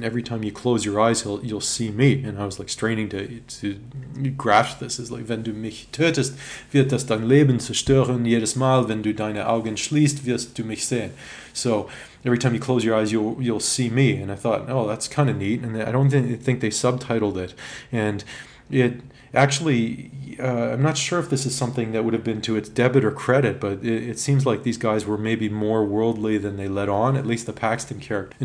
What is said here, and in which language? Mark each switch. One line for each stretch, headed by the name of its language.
English: And every time you close your eyes, you'll see me. And I was like straining to grasp this. It's like,
German: wenn du mich tötest, wird das dein Leben zerstören. Jedes Mal, wenn du deine Augen schließt, wirst du mich sehen.
English: So every time you close your eyes, you'll see me. And I thought, oh, that's kind of neat. And I don't think they subtitled it. And it actually, I'm not sure if this is something that would have been to its debit or credit, but it seems like these guys were maybe more worldly than they let on, at least the Paxton character.